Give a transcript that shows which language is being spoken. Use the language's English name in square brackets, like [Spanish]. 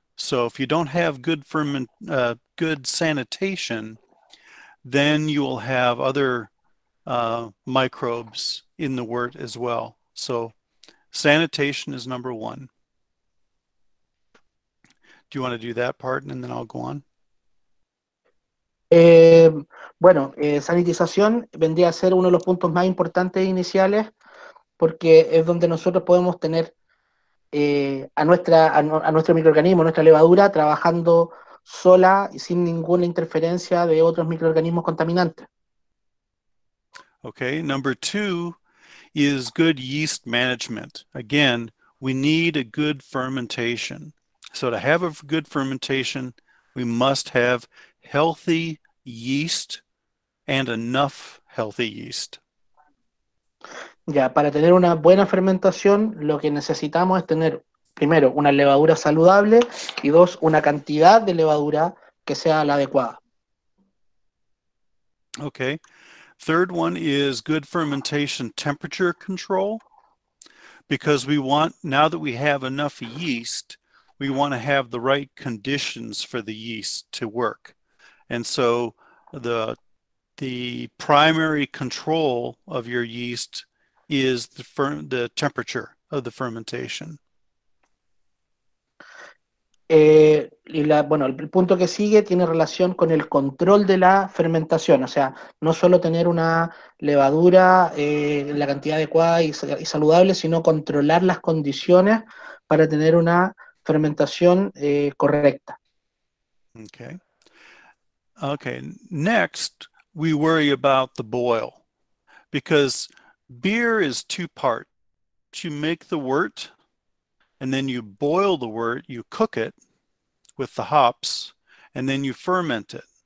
[English] So if you don't have good ferment, good sanitation, then you will have other microbes in the wort as well. So sanitation is number one. Do you want to do that part and then I'll go on? [Spanish] Sanitización vendría a ser uno de los puntos más importantes iniciales, porque es donde nosotros podemos tener a nuestro microorganismo, nuestra levadura, trabajando sola y sin ninguna interferencia de otros microorganismos contaminantes. [English] Okay, number two is good yeast management. Again, we need a good fermentation. So to have a good fermentation, we must have healthy yeast and enough healthy yeast. [Spanish] Ya, para tener una buena fermentación, lo que necesitamos es tener, primero, una levadura saludable, y dos, una cantidad de levadura que sea la adecuada. [English] Okay. Third one is good fermentation temperature control, because we want, now that we have enough yeast, we want to have the right conditions for the yeast to work. And so the primary control of your yeast is the temperature of the fermentation. [Spanish] El punto que sigue tiene relación con el control de la fermentación, o sea, no solo tener una levadura la cantidad adecuada y saludable, sino controlar las condiciones para tener una fermentación correcta. [English] Okay. Next, we worry about the boil, because beer is two parts. You make the wort, and then you boil the wort, you cook it with the hops, and then you ferment it.